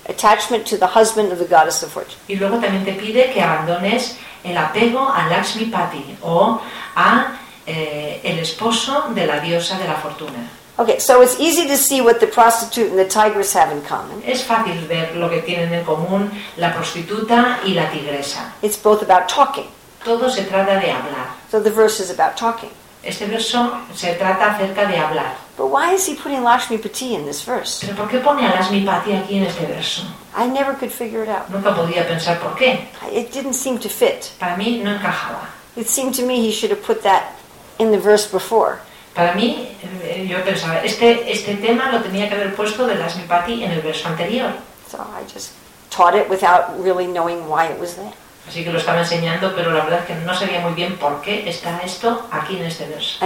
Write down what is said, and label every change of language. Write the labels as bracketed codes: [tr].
[en] Attachment to the husband of the goddess of fortune. [es] Y luego también te pide que abandones el apego a Lakshmipati o a el esposo de la diosa de la fortuna. [en] Okay, so it's easy to see what the prostitute and the tigress have in common. [es] Es fácil ver lo que tienen en común la prostituta y la tigresa. [en] It's both about talking. [es] Todo se trata de hablar. [en] So the verse is about talking. [es] Este verso se trata acerca de hablar. [en] But why is he putting Lakshmipati in this verse? [es] ¿Pero por qué pone a Lakshmipati aquí en este verso? [en] I never could figure it out. [es] Nunca podía pensar por qué. [en] It didn't seem to fit. [es] Para mí no encajaba. [en] It seemed to me he should have put that in the verse before. [es] Para mí, yo pensaba, este tema lo tenía que haber puesto de la Simpati en el verso anterior. [en] So I just taught it without really knowing why it was there. [es] Así que lo estaba enseñando, pero la verdad es que no sabía muy bien por qué está esto aquí en este verso.